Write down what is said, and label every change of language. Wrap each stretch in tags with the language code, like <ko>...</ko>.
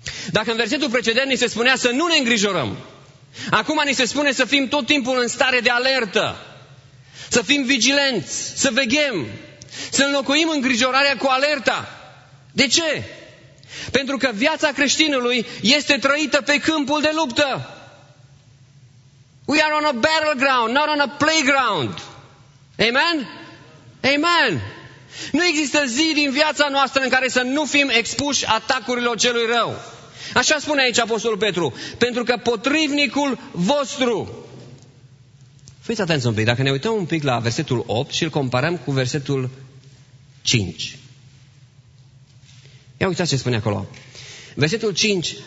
<ro>Dacă în versetul precedent ni se spunea să nu ne îngrijorăm, acum ni se spune să fim tot timpul în stare de alertă, să fim vigilenți, să veghem, să înlocuim îngrijorarea cu alerta. De ce? Pentru că viața creștinului este trăită pe câmpul de luptă.</ro> <en>We are on a battleground, not on a playground.</en> <ro>Amen? Amen! Nu există zi din viața noastră în care să nu fim expuși atacurilor celui rău. Așa spune aici Apostolul Petru. Pentru că potrivnicul vostru... Fiți atenți un pic. Dacă ne uităm un pic la versetul 8 și îl comparăm cu versetul 5. Ia uitați ce spune acolo. Versetul 5.</ro>